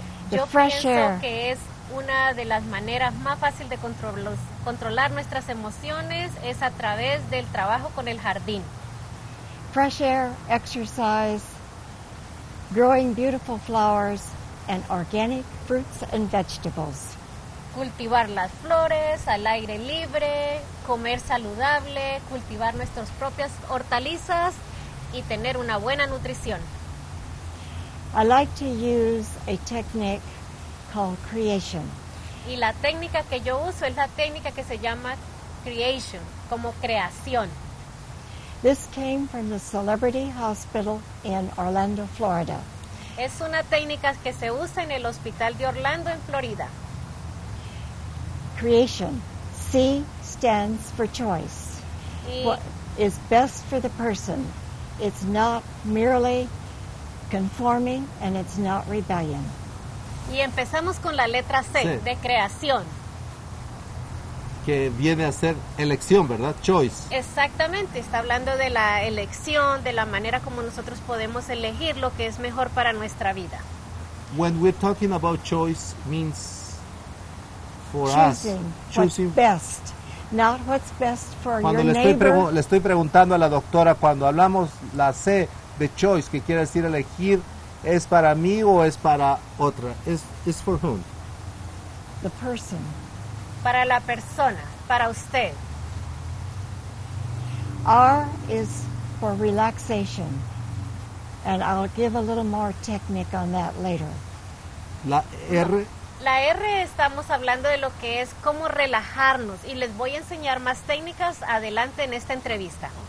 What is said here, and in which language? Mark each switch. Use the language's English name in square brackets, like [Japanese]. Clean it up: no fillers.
[English] The fresh air. [Spanish] Yo pienso que es una de las maneras más fácil de controlar nuestras emociones es a través del trabajo con el jardín. [English] Fresh air, exercise, growing beautiful flowers and organic fruits and vegetables. [Spanish] Cultivar las flores al aire libre, comer saludable, cultivar nuestras propias hortalizas y tener una buena nutrición. [English] I like to use a technique called creation. [Spanish] Y la técnica que yo uso es la técnica que se llama creation, como creación. [English] This came from the Celebrity Hospital in Orlando, Florida. [Spanish] Es una técnica que se usa en el Hospital de Orlando en Florida. [English] Creation. C stands for choice. What is best for the person. It's not merely conforming and it's not rebellion. [Spanish] Y empezamos con la letra C, sí, de creación. Que viene a ser elección, ¿verdad? Choice. Exactamente, está hablando de la elección, de la manera como nosotros podemos elegir lo que es mejor para nuestra vida. [English] When we're talking about choice means for choosing us, choosing what's best. Not what's best for your neighbor. [Spanish] Le estoy preguntando a la doctora, cuando hablamos la C de choice, que quiere decir elegir, ¿es para mí o es para otra? [English] ¿Es for whom? The person. [Spanish] Para la persona, para usted. [English] R is for relaxation. And I'll give a little more technique on that later. [Spanish] La R estamos hablando de lo que es cómo relajarnos y les voy a enseñar más técnicas adelante en esta entrevista.